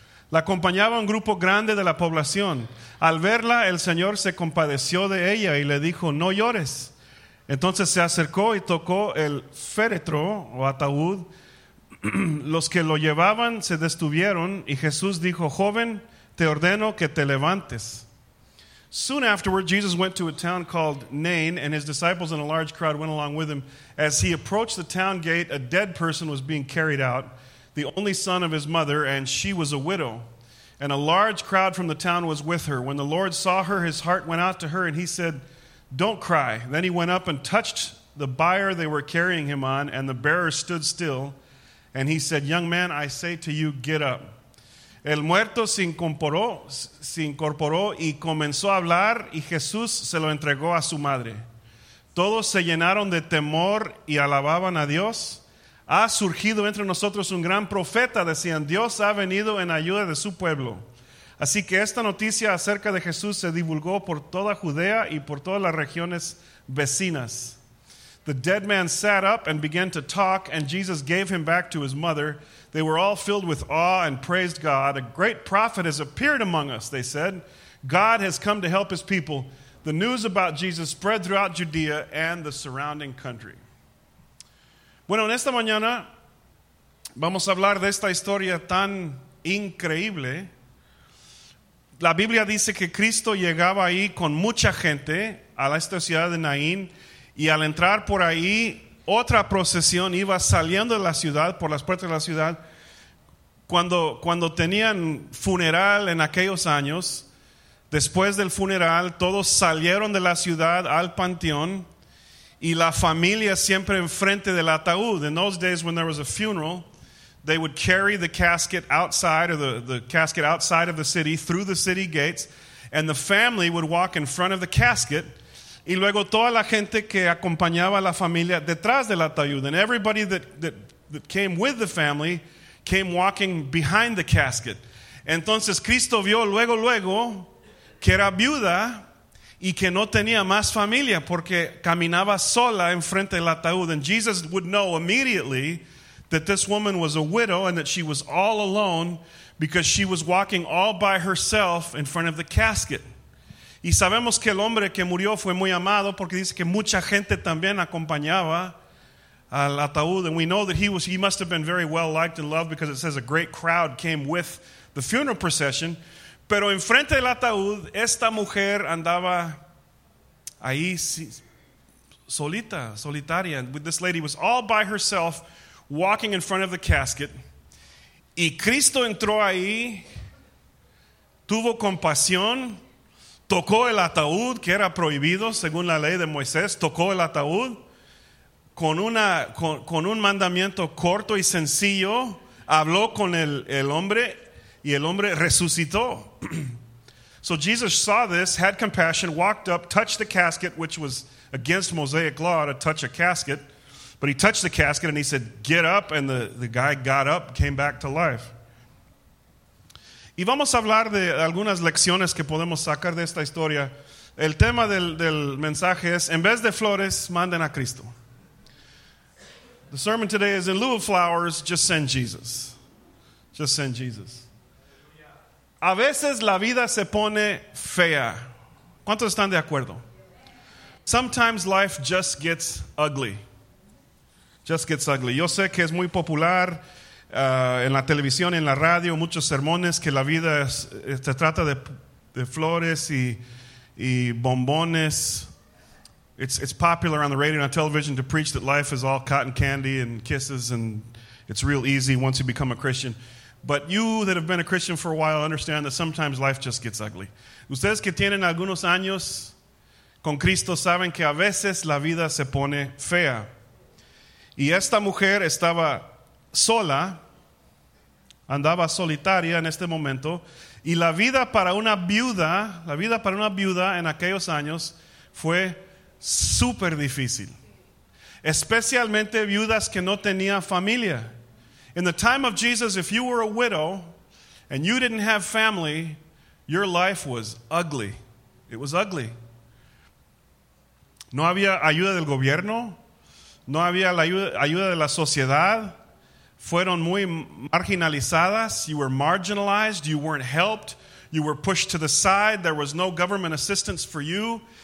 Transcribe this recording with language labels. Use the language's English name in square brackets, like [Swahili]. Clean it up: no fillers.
[Spanish] La acompañaba un grupo grande de la población. Al verla, el Señor se compadeció de ella y le dijo, no llores. Entonces se acercó y tocó el féretro o ataúd. Los que lo llevaban se detuvieron y Jesús dijo, joven, te ordeno que te levantes. [English] Soon afterward, Jesus went to a town called Nain, and his disciples and a large crowd went along with him. As he approached the town gate, a dead person was being carried out, the only son of his mother, and she was a widow. And a large crowd from the town was with her. When the Lord saw her, his heart went out to her, and he said, don't cry. Then he went up and touched the bier they were carrying him on, and the bearer stood still. And he said, young man, I say to you, get up. [Spanish] El muerto se incorporó y comenzó a hablar, y Jesús se lo entregó a su madre. Todos se llenaron de temor y alababan a Dios. Ha surgido entre nosotros un gran profeta, decían, Dios ha venido en ayuda de su pueblo. Así que esta noticia acerca de Jesús se divulgó por toda Judea y por todas las regiones vecinas. [English] The dead man sat up and began to talk, and Jesus gave him back to his mother. They were all filled with awe and praised God. A great prophet has appeared among us, they said. God has come to help his people. The news about Jesus spread throughout Judea and the surrounding country. [Spanish] Bueno, en esta mañana vamos a hablar de esta historia tan increíble. La Biblia dice que Cristo llegaba ahí con mucha gente a esta ciudad de Naín. Y al entrar por ahí, otra procesión iba saliendo de la ciudad, por las puertas de la ciudad. Cuando tenían funeral en aquellos años, después del funeral, todos salieron de la ciudad al panteón y la familia siempre enfrente del ataúd. [English] In those days when there was a funeral, they would carry the casket outside, or the casket outside of the city, through the city gates, and the family would walk in front of the casket. [Spanish] Y luego toda la gente que acompañaba a la familia detrás del ataúd. [English] And everybody that came with the family came walking behind the casket. [Spanish] Entonces Cristo vio luego que era viuda y que no tenía más familia porque caminaba sola enfrente del ataúd. [English] And Jesus would know immediately that this woman was a widow and that she was all alone because she was walking all by herself in front of the casket. [Spanish] Y sabemos que el hombre que murió fue muy amado porque dice que mucha gente también acompañaba al ataúd. [English] And we know that he must have been very well liked and loved because it says a great crowd came with the funeral procession. [Spanish] Pero enfrente del ataúd, esta mujer andaba ahí solitaria. [English] This lady was all by herself walking in front of the casket. [Spanish] Y Cristo entró ahí, tuvo compasión. Tocó el ataúd, que era prohibido según la ley de Moisés. Tocó el ataúd con un mandamiento corto y sencillo. Habló con el hombre y el hombre resucitó. [English] So Jesus saw this, had compassion, walked up, touched the casket, which was against Mosaic law to touch a casket. But he touched the casket and he said, get up. And the guy got up, came back to life. [Spanish] Y vamos a hablar de algunas lecciones que podemos sacar de esta historia. El tema del mensaje es, en vez de flores, manden a Cristo. [English] The sermon today is, in lieu of flowers, just send Jesus. Just send Jesus. [Spanish] A veces la vida se pone fea. ¿Cuántos están de acuerdo? [English] Sometimes life just gets ugly. Just gets ugly. [Spanish] Yo sé que es muy popular en la televisión, en la radio, muchos sermones que la vida se trata de flores y bombones. [English] It's popular on the radio and on television to preach that life is all cotton candy and kisses and it's real easy once you become a Christian. But you that have been a Christian for a while understand that sometimes life just gets ugly. [Spanish] Ustedes que tienen algunos años con Cristo saben que a veces la vida se pone fea. Y esta mujer estaba sola, andaba solitaria en este momento, y la vida para una viuda, la vida para una viuda en aquellos años fue súper difícil, especialmente viudas que no tenían familia. [English] In the time of Jesus, if you were a widow and you didn't have family, your life was ugly. It was ugly. [Spanish] No había ayuda del gobierno, no había la ayuda de la sociedad. Fueron muy marginalizadas. [English] You were marginalized. You weren't helped. You were pushed to the side. There was no government assistance for you.